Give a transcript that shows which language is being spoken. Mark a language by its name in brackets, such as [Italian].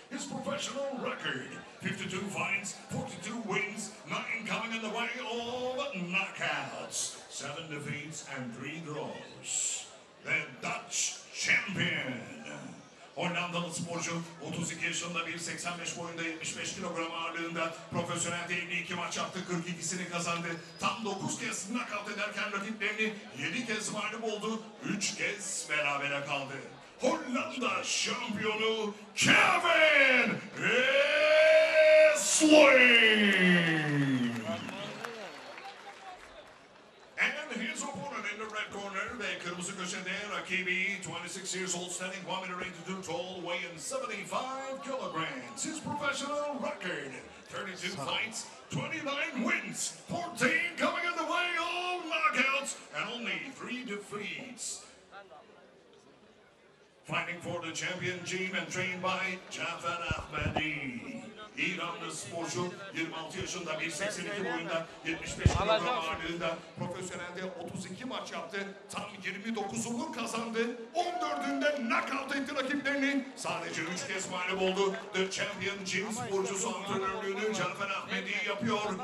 [English] His professional record, 52 fights, 42 wins, 9 coming in the way of knockouts, 7 defeats and 3 draws. The Dutch champion. [Turkish] Hollandalı sporcu 32 yaşında, 1.85 boyunda, 75 kilogram ağırlığında, profesyonelde 52 maç yaptı, 42'sini kazandı. Tam 9 kez nakavt ederken rakiplerini 7 kez mağlup oldu, 3 kez berabere kaldı. Hollanda şampiyonu Kevin Hastings. [English] And his opponent in the red corner, [Turkish] ve kırmızı köşede rakibi, [English] 26 years old, standing 1.82 meter tall, weighing 75 kilograms. His professional record, 32 fights, 29 wins, 14 coming in the way of knockouts, and only 3 defeats. Fighting for the champion gym and trained by Jafar Ahmadi. [Turkish] İranlı sporcu 26 yaşında, 1.82 boyunda, 75 kilogram ağırlığında, profesyonelde 32 maç yaptı, tam 29'unu kazandı, 14'ünde knockout etti rakiplerinin, sadece 3 kez mağlup oldu. The champion gym sporcusu antrenörlüğünü Jafar Ahmadi yapıyor.